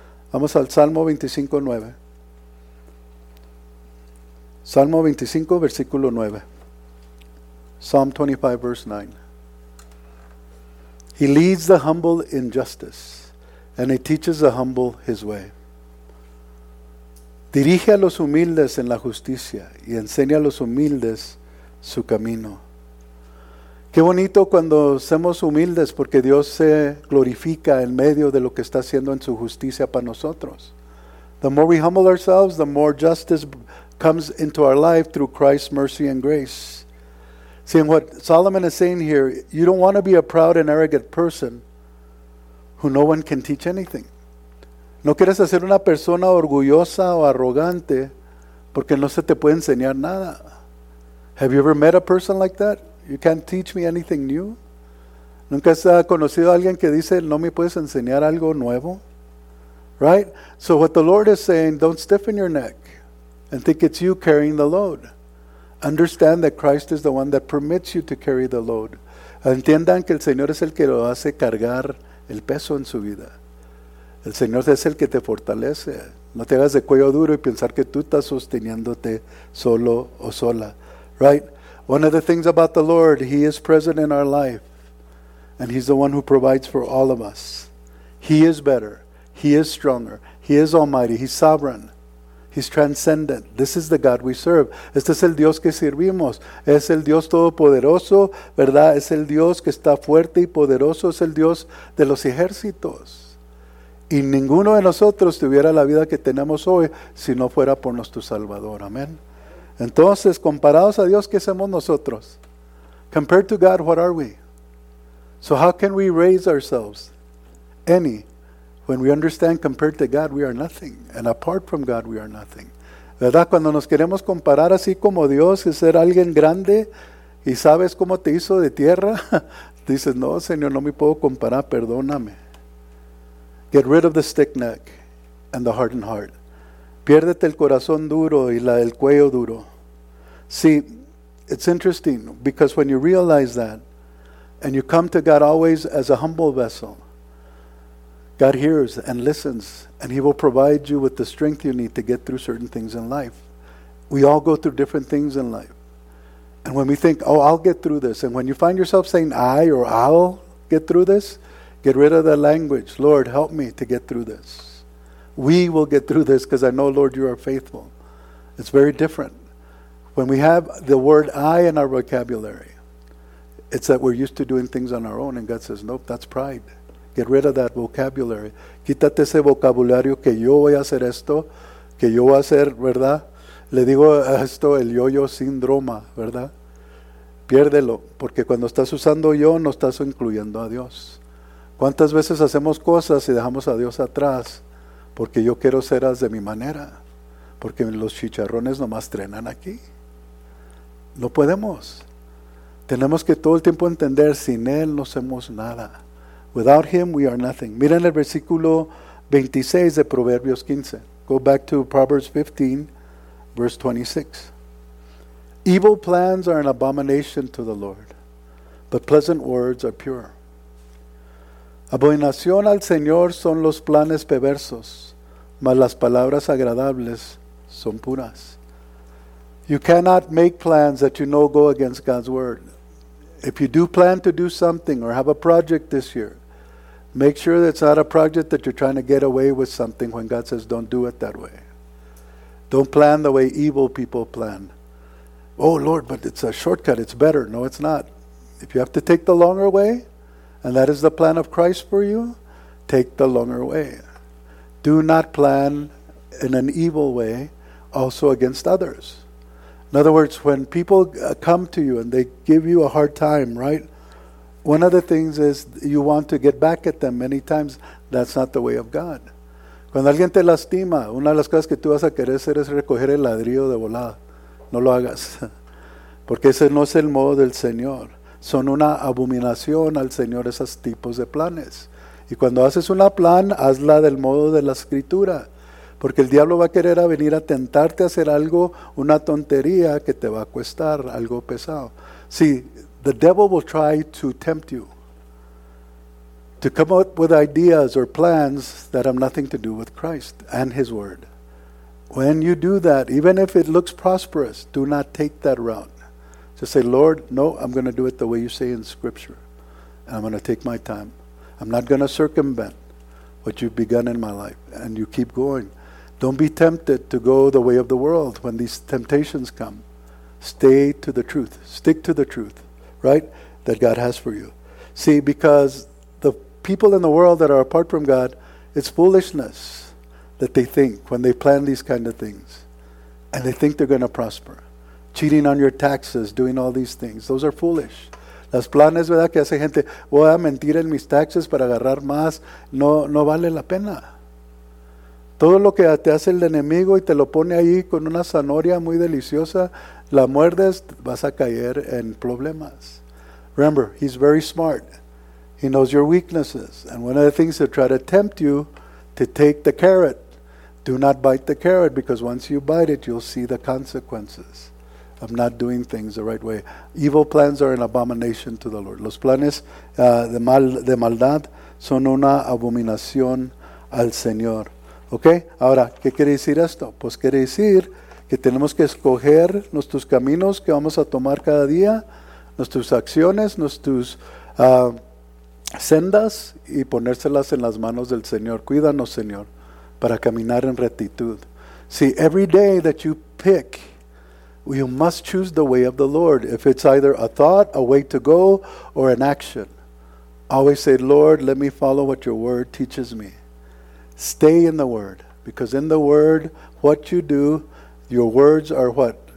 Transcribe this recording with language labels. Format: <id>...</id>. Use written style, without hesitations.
<es>Vamos al Salmo 25, 9. Salmo 25, versículo 9.</es> <en>Psalm 25, verse 9. He leads the humble in justice, and he teaches the humble his way.</en> <es>Dirige a los humildes en la justicia y enseña a los humildes su camino. Qué bonito cuando somos humildes porque Dios se glorifica en medio de lo que está haciendo en su justicia para nosotros.</es> <en>The more we humble ourselves, the more justice comes into our life through Christ's mercy and grace. See, and what Solomon is saying here, you don't want to be a proud and arrogant person who no one can teach anything.</en> <es>No quieres hacer una persona orgullosa o arrogante porque no se te puede enseñar nada.</es> <en>Have you ever met a person like that? You can't teach me anything new.</en> <es>¿Nunca has conocido a alguien que dice, no me puedes enseñar algo nuevo?</es> <en>Right? So what the Lord is saying, don't stiffen your neck and think it's you carrying the load. Understand that Christ is the one that permits you to carry the load.</en> <es>Entiendan que el Señor es el que lo hace cargar el peso en su vida. El Señor es el que te fortalece. No te hagas de cuello duro y pensar que tú estás sosteniéndote solo o sola.</es> <en>Right? One of the things about the Lord, he is present in our life. And he's the one who provides for all of us. He is better. He is stronger. He is almighty. He's sovereign. He's transcendent. This is the God we serve.</en> <es>Este es el Dios que servimos. Es el Dios todopoderoso, ¿verdad? Es el Dios que está fuerte y poderoso. Es el Dios de los ejércitos. Y ninguno de nosotros tuviera la vida que tenemos hoy si no fuera por nuestro Salvador. Amén. Entonces, comparados a Dios, ¿qué somos nosotros?</es> <en>Compared to God, what are we? So how can we raise ourselves? Any. When we understand compared to God, we are nothing. And apart from God, we are nothing. ¿Verdad?</en> <es>Cuando nos queremos comparar así como Dios y ser alguien grande y sabes cómo te hizo de tierra, dices, no, Señor, no me puedo comparar, perdóname.</es> <en>Get rid of the stiff neck and the hardened heart.</en> <es>Piérdete el corazón duro y el cuello duro.</es> <en>See, it's interesting because when you realize that and you come to God always as a humble vessel, God hears and listens and he will provide you with the strength you need to get through certain things in life. We all go through different things in life. And when we think, oh, I'll get through this, and when you find yourself saying, I or I'll get through this, get rid of that language. Lord, help me to get through this. We will get through this because I know, Lord, you are faithful. It's very different. When we have the word I in our vocabulary, it's that we're used to doing things on our own. And God says, nope, that's pride. Get rid of that vocabulary.</en> <es>Quítate ese vocabulario que yo voy a hacer esto, que yo voy a hacer, ¿verdad? Le digo esto el yo-yo síndrome, ¿verdad? Piérdelo, porque cuando estás usando yo, no estás incluyendo a Dios. ¿Cuántas veces hacemos cosas y dejamos a Dios atrás? Porque yo quiero ser de mi manera. Porque los chicharrones nomás trenan aquí. No podemos. Tenemos que todo el tiempo entender, sin Él no hacemos nada.</es> <en>Without Him, we are nothing.</en> <es>Miren el versículo 26 de Proverbios 15.</es> <en>Go back to Proverbs 15, verse 26. Evil plans are an abomination to the Lord, but pleasant words are pure. Abominación al Señor son los planes perversos, mas las palabras agradables son puras. You cannot make plans that you know go against God's word. If you do plan to do something or have a project this year, make sure that it's not a project that you're trying to get away with something when God says don't do it that way. Don't plan the way evil people plan. Oh Lord, but it's a shortcut, it's better. No, it's not. If you have to take the longer way, and that is the plan of Christ for you, take the longer way. Do not plan in an evil way also against others. In other words, when people come to you and they give you a hard time, right? One of the things is you want to get back at them. Many times, that's not the way of God.</en> <es>Cuando alguien te lastima, una de las cosas que tú vas a querer hacer es recoger el ladrillo de volada. No lo hagas. Porque ese no es el modo del Señor. Son una abominación al Señor esos tipos de planes. Y cuando haces una plan, hazla del modo de la Escritura. Porque el diablo va a querer a venir a tentarte a hacer algo, una tontería que te va a costar, algo pesado.</es> <en>Sí, the devil will try to tempt you to come up with ideas or plans that have nothing to do with Christ and His Word. When you do that, even if it looks prosperous, do not take that route. Just say, Lord, no, I'm going to do it the way you say in Scripture. And I'm going to take my time. I'm not going to circumvent what you've begun in my life. And you keep going. Don't be tempted to go the way of the world when these temptations come. Stay to the truth. Stick to the truth, right, that God has for you. See, because the people in the world that are apart from God, it's foolishness that they think when they plan these kind of things. And they think they're going to prosper. Cheating on your taxes, doing all these things. Those are foolish.</en> <es>Las planes, ¿verdad?, que hace gente, voy a mentir en mis taxes para agarrar más. No vale la pena. Todo lo que te hace el enemigo y te lo pone ahí con una zanahoria muy deliciosa, la muerdes, vas a caer en problemas.</es> <en>Remember, he's very smart. He knows your weaknesses. And one of the things to try to tempt you to take the carrot, do not bite the carrot, because once you bite it, you'll see the consequences of not doing things the right way. Evil plans are an abomination to the Lord.</en> <es>Los planes de maldad son una abominación al Señor. ¿Ok? Ahora, ¿qué quiere decir esto? Pues quiere decir que tenemos que escoger nuestros caminos que vamos a tomar cada día, nuestras acciones, nuestras sendas, y ponérselas en las manos del Señor. Cuídanos, Señor, para caminar en rectitud.</es> <en>See, every day that you pick, you must choose the way of the Lord. If it's either a thought, a way to go, or an action, always say, Lord, let me follow what your word teaches me. Stay in the word, because in the word, what you do, your words are what?</en>